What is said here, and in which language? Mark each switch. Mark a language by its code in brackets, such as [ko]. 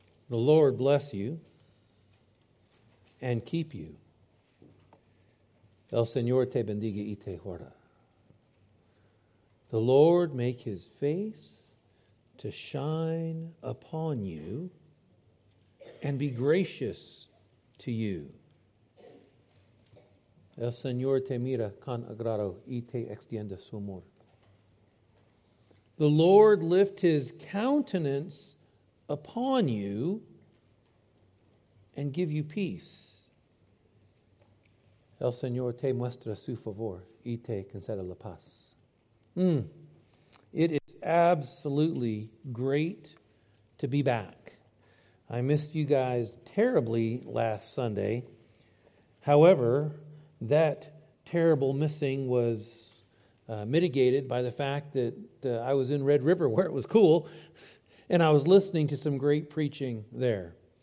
[en] The Lord bless you and keep you. [es] El Señor te bendiga y te guarda. [en] The Lord make his face to shine upon you and be gracious to you. [es] El Señor te mira con agrado y te extiende su amor. [en] The Lord lift his countenance upon you and give you peace. [es] El Señor te muestra su favor y te concede la paz. [en] It is absolutely great to be back. I missed you guys terribly last Sunday. However, that terrible missing was mitigated by the fact that I was in Red River where it was cool, and I was listening to some great preaching there.